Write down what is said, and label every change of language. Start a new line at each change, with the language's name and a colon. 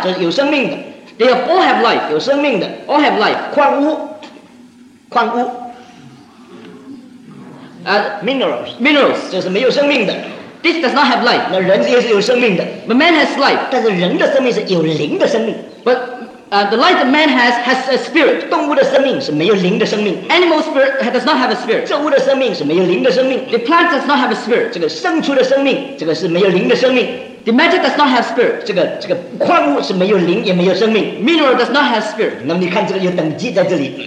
Chinese: 这是有生命的。
English: They all have life.
Chinese: 有生命的。
English: All have life.
Chinese: 矿物。
English: Minerals. Minerals.
Chinese: 这是没有生命的。
English: This does not have life.
Chinese: 那人也是有生命的。
English: But man has life.
Chinese: 但是人的生命是有灵的生命。
English: But the life that man has a spirit.
Chinese: 动物的生命是没有灵的生命。
English: Animal spirit does not have a spirit.
Chinese: 植物的生命是没有灵的生命。
English: The plant does not have a spirit.
Chinese: 这个生出的生命，这个是没有灵的生命。
English: The matter does not have spirit.
Chinese: 这个矿物是没有灵也没有生命。
English: Mineral does not have spirit.
Chinese: 那么你看这个有等级在这里。